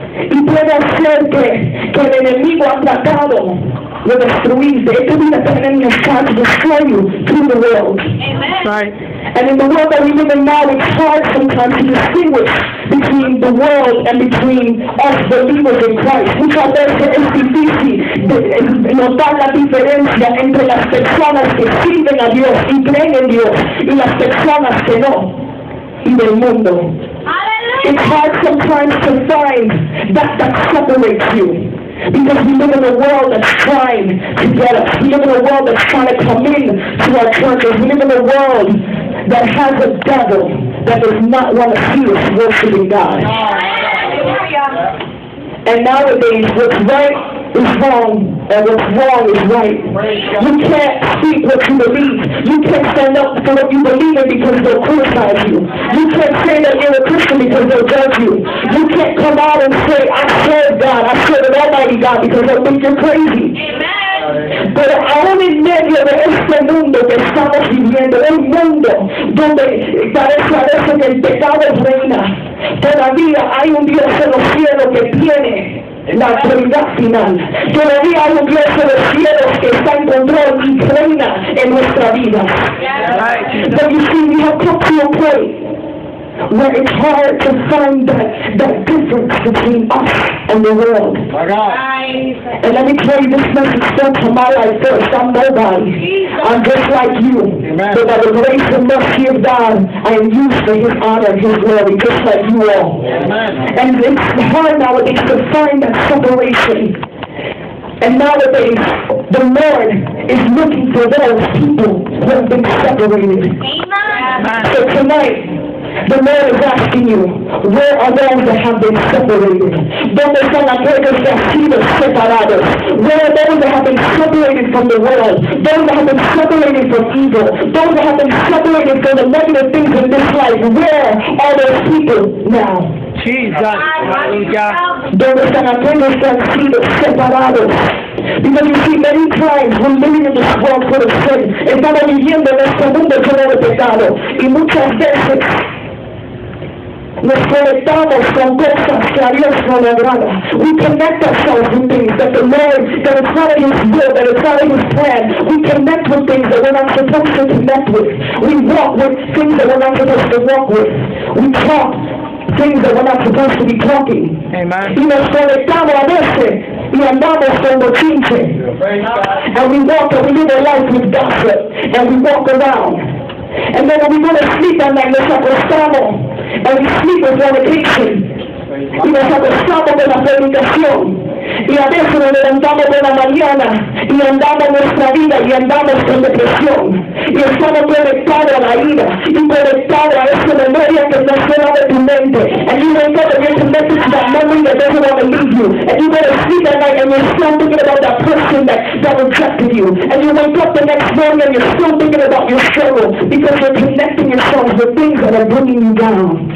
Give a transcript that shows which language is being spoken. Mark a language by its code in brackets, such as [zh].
[es] Y puede ser que el enemigo ha tratado de destruirte. [en] It could be that the enemy has tried to destroy you through the world. Amen. Right. And in the world that we live in now, it's hard sometimes to distinguish between the world and between us believers in Christ. [es] Muchas veces es difícil notar la diferencia entre las personas que sirven a Dios y creen en Dios y las personas que no, y del mundo. [en] Hallelujah. It's hard sometimes to find that that separates you. Because we live in a world that's trying to get us. We live in a world that's trying to come in to our churches. We live in a world that has a devil that does not want to see us worshiping God. And nowadays, what's right is wrong, and what's wrong is right. You can't speak what you believe. You can't stand up for what you believe in because they'll criticize you. You can't say that you're a Christian because they'll judge you. You can't come out and say, I serve God, I serve the Almighty God, because they'll think you're crazy. [es] Pero aún en medio de este mundo que estamos viviendo, un mundo donde parece a veces que el pecado reina, todavía hay un Dios en los cielos que tiene la autoridad final. Todavía hay un Dios en los cielos que está en control y reina en nuestra vida. [en] But you see, we have come to a point where it's hard to find that difference between us and the world. My God. And let me tell you, this message starts from my life first. I'm nobody. I'm just like you. Amen. But by the grace and mercy of God, I am used for His honor and His glory, just like you all. Amen. And it's hard nowadays to find that separation. And nowadays, the Lord is looking for those people who have been separated. Amen. So tonight, the Lord is asking you, where are those that have been separated? [es] ¿Dónde están aquellos que han sido separados? [en] Where are those that have been separated from the world? Those that have been separated from evil? Those that have been separated from the negative things in this life? Where are those people now? Jesus. [es] ¿Dónde están aquellos que han sido separados? [en] Because you see, many times we're living in this world full of sin. [es] Estamos viviendo en este mundo lleno de pecado. Y muchas veces nos conectamos con cosas que a Dios no le agrada. [en] We connect ourselves with things that the Lord, that it's not in His will, that it's not in His plan. We connect with things that we're not supposed to connect with. We walk with things that we're not supposed to walk with. We talk things that we're not supposed to be talking. Amen. [es] Y nos conectamos a veces y andamos con bochinche. [en] And we walk and we live a life with gossip. And we walk around. And then when we go to sleep at night, [es] nos acostamos. [en] And we sleep with fornication. [es] Y nos acostamos con la fornicación. Y a veces nos levantamos de la mañana. Y andamos nuestra vida y andamos con depresión. Y estamos conectados a la ira. Y conectados a esa memoria que está fuera de tu mente. [en] And you wake up and get to message to that memory that doesn't want to leave you. And you go to sleep at night and you're still thinking about that person that rejected you. And you wake up the next morning and you're still thinking about your struggle. Because you're connecting yourselves with things that are bringing you down.